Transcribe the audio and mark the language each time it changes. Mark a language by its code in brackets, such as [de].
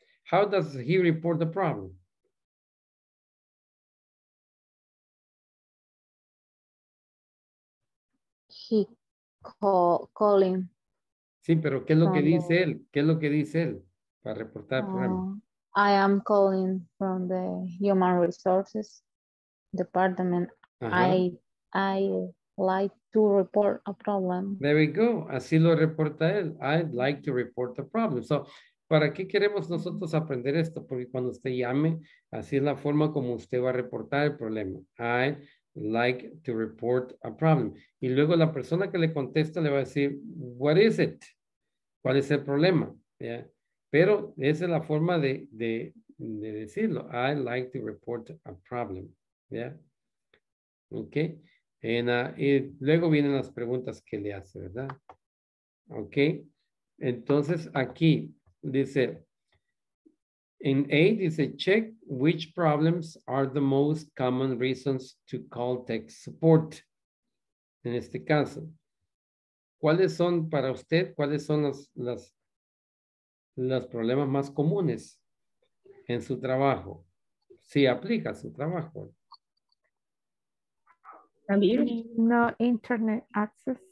[en] How does he report the problem? He calling. [es] Sí, pero ¿qué es lo que dice él? ¿Qué es lo que dice él para reportar el problema? [en] I am calling from the Human Resources Department. I like to report a problem. Very good. [es] Así lo reporta él. [en] I'd like to report a problem. [es] So, ¿para qué queremos nosotros aprender esto? Porque cuando usted llame, así es la forma como usted va a reportar el problema. [en] I like to report a problem. [es] Y luego la persona que le contesta le va a decir, [en] what is it? [es] ¿Cuál es el problema? Yeah. Pero esa es la forma de decirlo. [en] I like to report a problem. Yeah. Ok. [es] Y luego vienen las preguntas que le hace, ¿verdad? Ok. Entonces aquí dice, en A dice, [en] check which problems are the most common reasons to call tech support. [es] En este caso, ¿cuáles son para usted, cuáles son los problemas más comunes en su trabajo? Si aplica su trabajo. [en] No internet access.